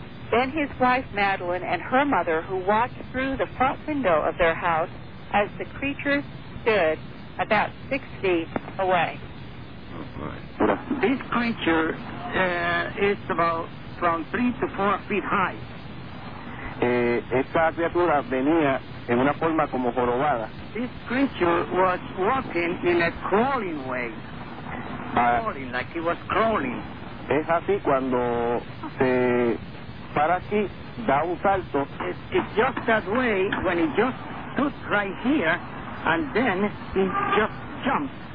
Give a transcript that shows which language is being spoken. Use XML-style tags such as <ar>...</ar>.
<en>Then his wife, Madeline, and her mother, who watched through the front window of their house as the creature stood about 6 feet away. This creature is about from 3 to 4 feet high.</en> <es>Esta criatura venía en una forma como jorobada.</es> <en>This creature was walking in a crawling way. Crawling, like he was crawling.</en> <es>Es así cuando se para aquí, da un salto.</es> <en>It's just that way when he just stood right here and then he just jumped.</en>